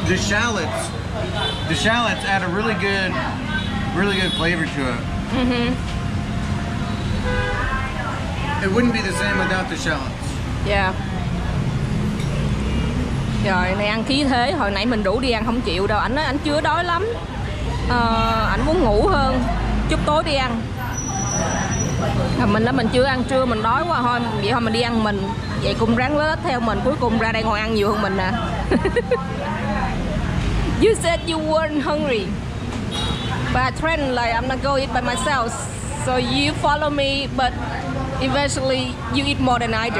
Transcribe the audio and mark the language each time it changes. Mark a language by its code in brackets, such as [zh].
[en] The shallots add a really good flavor to it. It wouldn't be the same without the shallots. Yeah. [vi] Trời, này ăn khí thế, hồi nãy mình rủ đi ăn không chịu đâu. Ảnh nói ảnh chưa đói lắm. Ảnh muốn ngủ hơn, chút tối đi ăn. Mình là mình chưa ăn trưa, mình đói quá thôi. Vậy thôi mình đi ăn mình. Vậy cũng ráng lết theo mình, cuối cùng ra đây ngồi ăn nhiều hơn mình nè. [en] You said you weren't hungry. But I trained like I'm not going to eat by myself. So you follow me, but eventually you eat more than I do.